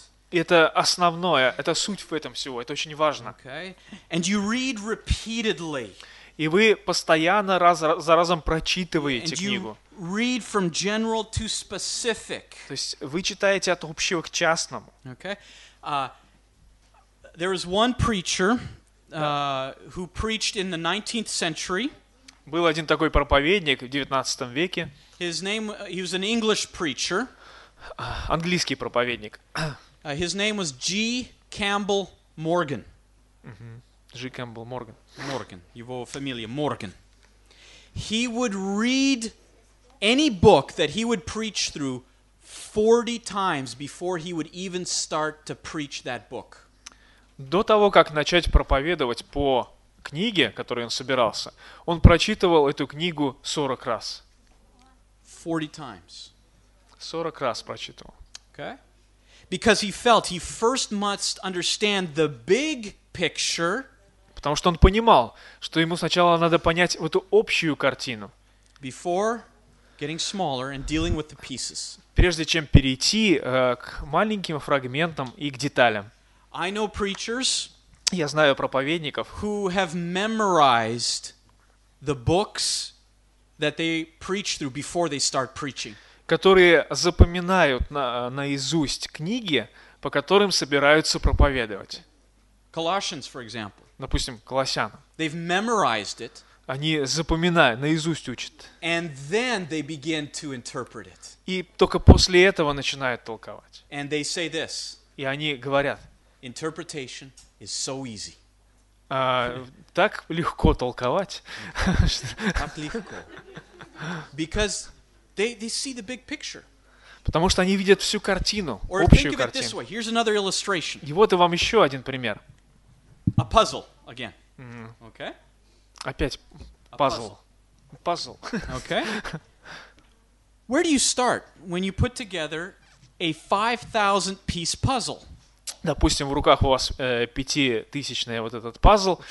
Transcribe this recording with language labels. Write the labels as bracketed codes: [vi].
[ru] Это основное, это суть в этом всего, это очень важно. [en] Okay. And you read repeatedly. [ru] И вы постоянно раз за разом прочитываете [en] And [ru] книгу. [en] You read from general to specific. [ru] То есть вы читаете от общего к частному. [en] Okay. There is one preacher who preached in the 19th century. [ru] Был один такой проповедник в 19 веке. [en] His name, he was an English preacher. [ru] Английский проповедник. [en] His name was G. Campbell Morgan. G. Campbell Morgan. [ru] Morgan. Его фамилия Morgan. [en] He would read any book that he would preach through 40 times before he would even start to preach that book. [ru] До того, как начать проповедовать по книге, которую он собирался, он прочитывал эту книгу 40 раз. [en] 40 times. [ru] 40 раз прочитывал. [en] Okay. Because he felt he first must understand the big picture. [ru] Потому что он понимал, что ему сначала надо понять вот эту общую картину. [en] Before getting smaller and dealing with the pieces. [ru] Прежде чем перейти к маленьким фрагментам и к деталям. [en] I know preachers. [ru] Я знаю проповедников. [en] Who have memorized the books that they preach through before they start preaching. [ru] Которые запоминают наизусть книги, по которым собираются проповедовать. [en] Colossians, for example. [ru] Допустим, Колоссянам. [en] They've memorized it. [ru] Они запоминают, наизусть учат. [en] And then they begin to interpret it. [ru] И только после этого начинают толковать. [en] And they say this. [ru] И они говорят. [en] Interpretation is so easy. [ru] Так легко толковать. Так легко. [en] Because They see the big picture. [ru] Потому что они видят всю картину, [en] Or [ru] общую [en] think of [ru] картину. [en] It this way. Here's another illustration. [ru] И вот и вам еще один пример. [en] A puzzle again. Okay. [ru] Опять пазл. Пазл. [en] Okay. Where do you start when you put together a 5,000 piece puzzle? [ru] Допустим, в руках у вас 5,000-ный вот этот пазл.